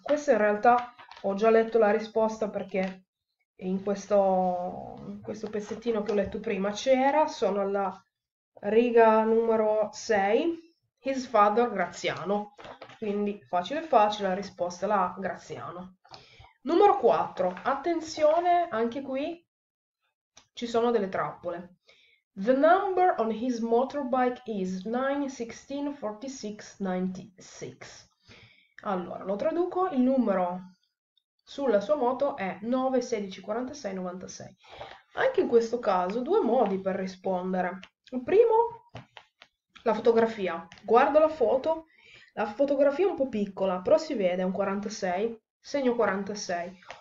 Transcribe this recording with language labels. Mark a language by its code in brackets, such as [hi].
[it] Questa in realtà ho già letto la risposta perché in questo pezzettino che ho letto prima c'era, sono alla riga numero 6, [en] his father Graziano. [it] Quindi facile facile, la risposta la Graziano. Numero 4, attenzione, anche qui ci sono delle trappole. [en] The number on his motorbike is 9164696. [it] Allora, lo traduco, il numero sulla sua moto è 9164696. Anche in questo caso, due modi per rispondere. Il primo, la fotografia. Guardo la fotografia è un po' piccola, però si vede, è un 46, segno 46.